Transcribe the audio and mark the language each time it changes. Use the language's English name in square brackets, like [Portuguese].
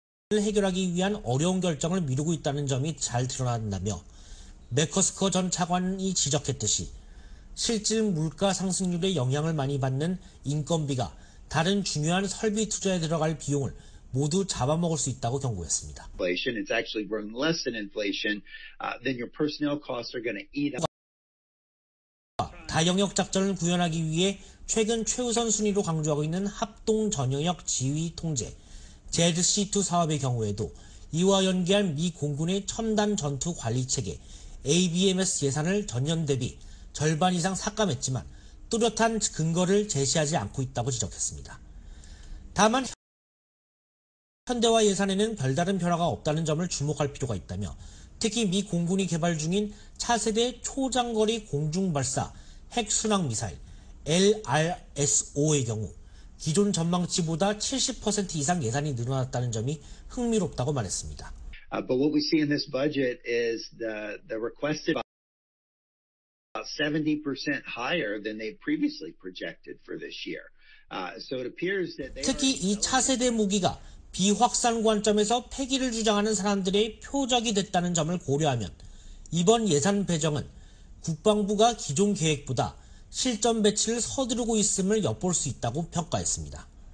[Korean] 문제를 해결하기 위한 어려운 결정을 미루고 있다는 점이 잘 드러난다며 매커스커 전 차관이 지적했듯이 실질 물가 상승률에 영향을 많이 받는 인건비가 다른 중요한 설비 투자에 들어갈 비용을 모두 잡아먹을 수 있다고 경고했습니다. [English] Inflation, it's actually growing less than inflation. Then your personnel costs are going to eat up. [Korean] 다영역 작전을 구현하기 위해 최근 최우선 순위로 강조하고 있는 합동 전영역 지휘 통제 ZC2 사업의 경우에도 이와 연계한 미 공군의 첨단 전투 관리 체계 ABMS 예산을 전년 대비 절반 이상 삭감했지만 뚜렷한 근거를 제시하지 않고 있다고 지적했습니다. 다만 현대화 예산에는 별다른 변화가 없다는 점을 주목할 필요가 있다며 특히 미 공군이 개발 중인 차세대 초장거리 공중발사 핵순항미사일 LRSO의 경우 기존 전망치보다 70% 이상 예산이 늘어났다는 점이 흥미롭다고 말했습니다. [English] But what we see in this budget is the requested about 70% higher than they previously projected for this year. So it appears that [Korean] 특히 이 차세대 무기가 비확산 관점에서 폐기를 주장하는 사람들의 표적이 됐다는 점을 고려하면 이번 예산 배정은 국방부가 기존 계획보다 실전 배치를 서두르고 있음을 엿볼 수 있다고 평가했습니다.